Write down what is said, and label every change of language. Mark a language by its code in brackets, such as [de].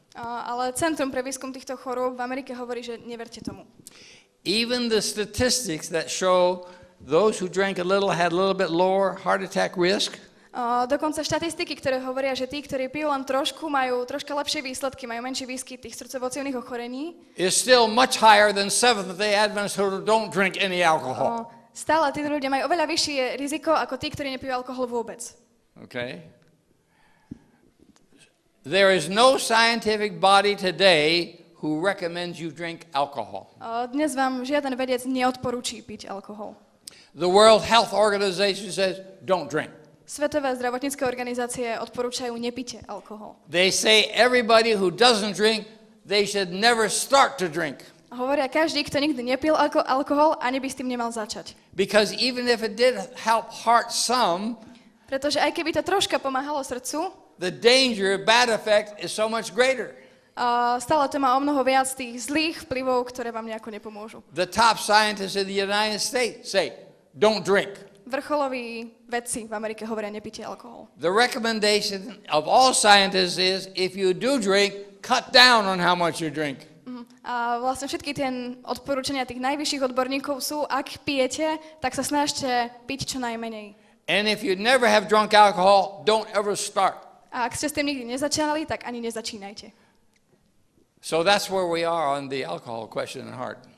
[sk] Ale Centrum pre výskum týchto chorôb v Amerike hovorí, že neverte tomu. [en] Even the statistics that show those who drank a little had a little bit lower heart attack risk. [sk] Dokonca štatistiky, ktoré hovoria, že tí, ktorí pijú len trošku, majú troška lepšie výsledky, majú menší výskyt tých srdcovocievnych ochorení. [en] Is still much higher than Seventh-day Adventists who don't drink any alcohol. [sk] Stále títo ľudia majú oveľa vyššie riziko ako tí, ktorí nepijú alkohol vôbec. [en] Okay. There is no scientific body today who recommends you drink alcohol. [sk] Dnes vám žiaden vedec neodporúči piť alkohol. [en] The World Health Organization says don't drink. [sk] Svetové zdravotnícke organizácie odporúčajú nepite alkohol. [en] They say everybody who doesn't drink, they should never start to drink. [sk] Hovoria každý, kto nikdy nepil alkohol, ani by s tým nemal začať. [en] Because even if it did help heart some, [sk] pretože aj keby to troška pomáhalo srdcu, [en] the danger, bad effect is so much greater. [sk] Stále to má o mnoho viac tých zlých vplyvov, ktoré vám nejako nepomôžu. [en] The top scientists in the United States say, don't drink. [sk] Vrcholoví vedci v Amerike hovoria, nepite alkohol. [en] The recommendation of all scientists is, if you do drink, cut down on how much you drink. [sk] A vlastne všetky tie odporúčania tých najvyšších odborníkov sú, ak pijete, tak sa snažte piť čo najmenej. [en] And if you never have drunk alcohol, don't ever start. [sk] A ak ste s tým nikdy nezačínali, tak ani nezačínajte. [en] So that's where we are on the alcohol question in heart.